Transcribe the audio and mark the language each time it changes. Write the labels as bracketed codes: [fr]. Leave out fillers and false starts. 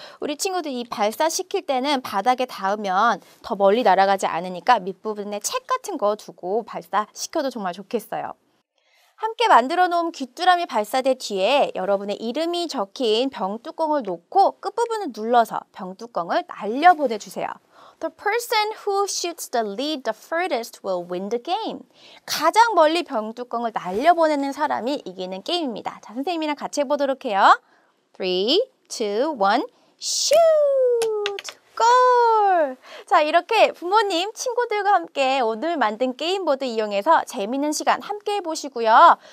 [ko] 우리 친구들 이 발사시킬 때는 바닥에 닿으면 더 멀리 날아가지 않으니까 밑부분에 책 같은 거 두고 발사시켜도 정말 좋겠어요. 함께 만들어 놓은 귀뚜라미 발사대 뒤에 여러분의 이름이 적힌 병뚜껑을 놓고 끝부분을 눌러서 병뚜껑을 날려 보내주세요. [en] The person who shoots the lead the furthest will win the game. [ko] 가장 멀리 병뚜껑을 날려보내는 사람이 이기는 게임입니다. 자, 선생님이랑 같이 해보도록 해요. [en] 3, 2, 1, shoot! [ko] 골! 자, 이렇게 부모님, 친구들과 함께 오늘 만든 게임보드 이용해서 재밌는 시간 함께 해보시고요.